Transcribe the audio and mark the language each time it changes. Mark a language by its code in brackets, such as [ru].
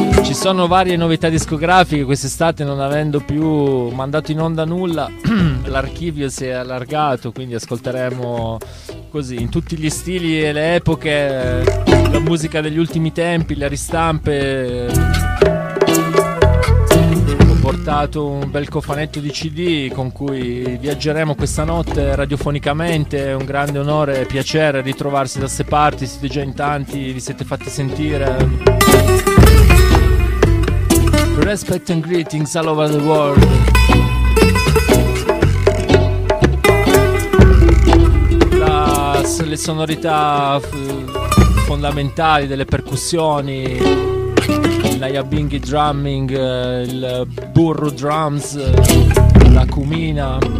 [it] Ci sono varie novità discografiche quest'estate, non avendo più mandato in onda nulla, l'archivio si è allargato, quindi ascolteremo così in tutti gli stili e le epoche la musica degli ultimi tempi, le ristampe. Ho portato un bel cofanetto di CD con cui viaggeremo questa notte radiofonicamente. È un grande onore e piacere ritrovarsi da ste parti. Siete già in tanti, vi siete fatti sentire. [en] Respect and greetings all over the world. [it] Le sonorità fondamentali delle percussioni, l'Ayabingi drumming, il Burro drums, la Cumina.